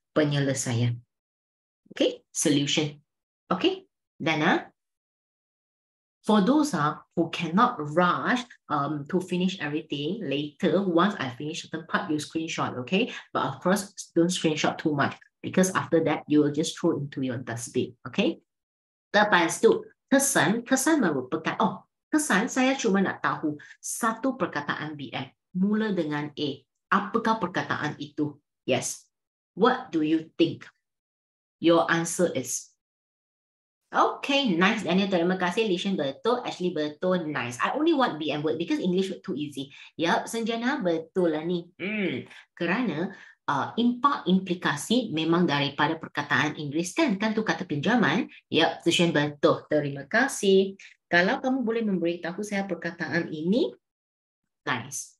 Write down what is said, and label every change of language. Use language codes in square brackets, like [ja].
[ms] Penyelesaian. Okay? Solution. Okay? [en] Then, for those who cannot rush to finish everything later, once I finish certain part, you screenshot, okay? But of course, don't screenshot too much because after that, you will just throw into your dustbin, okay? [ms] Lepas tu, kesan, kesan merupakan, oh, kesan saya cuma nak tahu satu perkataan BM, mula dengan A. Apakah perkataan itu? Yes. [en] What do you think? Your answer is, okay, nice, Daniel. [ms] Terima kasih, Lishan betul. Actually, betul, nice. [en] I only want BM word because English word too easy. [ms] Yup, Senjana, betul lah ni. Kerana impak implikasi memang daripada perkataan Inggeris kan? Kan tu kata pinjaman. Yup, Senjana, betul. Terima kasih. Kalau kamu boleh memberitahu saya perkataan ini, nice.